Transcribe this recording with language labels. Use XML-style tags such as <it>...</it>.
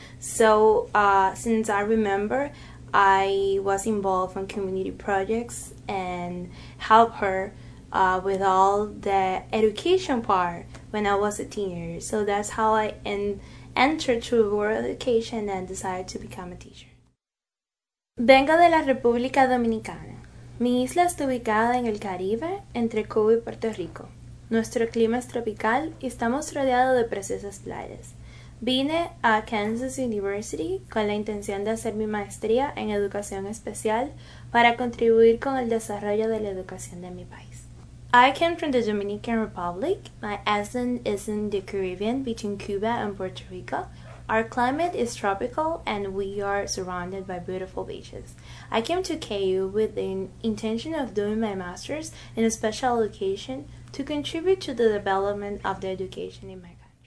<en>So since I remember, I was involved in community projects and helped her with all the education part when I was a teenager. So that's how I entered to world education and decided to become a teacher.</en> <es>Vengo de la República Dominicana. Mi isla está ubicada en el Caribe, entre Cuba y Puerto Rico. Nuestro clima es tropical y estamos rodeados de preciosas playas. Vine a Kansas University con la intención de hacer mi maestría en educación especial para contribuir con el desarrollo de la educación de mi país.</es> <en>I came from the Dominican Republic. My island is in the Caribbean between Cuba and Puerto Rico. Our climate is tropical and we are surrounded by beautiful beaches. I came to KU with the intention of doing my master's in a special education to contribute to the development of the education in my country.</en>